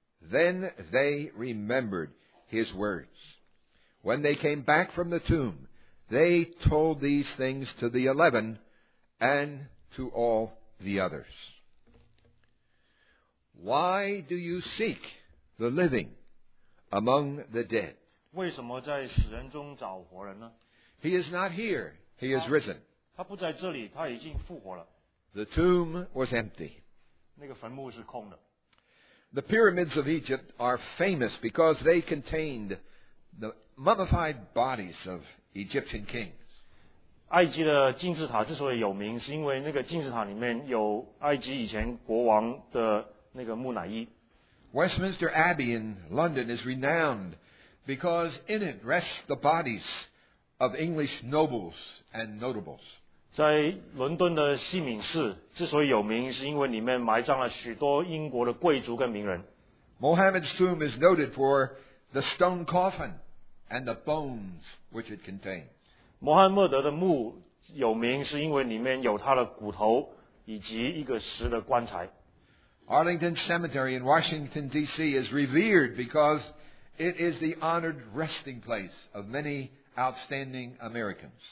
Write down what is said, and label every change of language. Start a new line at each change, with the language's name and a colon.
English: Then they remembered his words. When they came back from the tomb,They told these things to the 11 and to all the others. Why do you seek the living among the dead?
Chinese: 为什么在死人中找活人呢?
English: He is not here. He is risen.
Chinese: 他不在这里,他已经复活了。
English: The tomb was empty.
Chinese: 那个坟墓是空的。
English: The pyramids of Egypt are famous because they contained the mummified bodies of Egyptian kings.
Chinese: 埃及的金字塔之所以有名，是因为那个金字塔里面有埃及以前国王的那个木乃伊。
English: Westminster Abbey in London is renowned because in it rest the bodies of English nobles and notables.
Chinese: 在伦敦的西敏寺之所以有名，是因为里面埋葬了许多英国的贵族跟名人。
English: Mohammed's tomb is noted for the stone coffin and the bones which it contains.
Chinese: 穆罕默德的墓有名，是因为里面有他的骨头以及一个石的棺材。
English: Arlington Cemetery in Washington, D.C. is revered because it is the honored resting place of many outstanding Americans.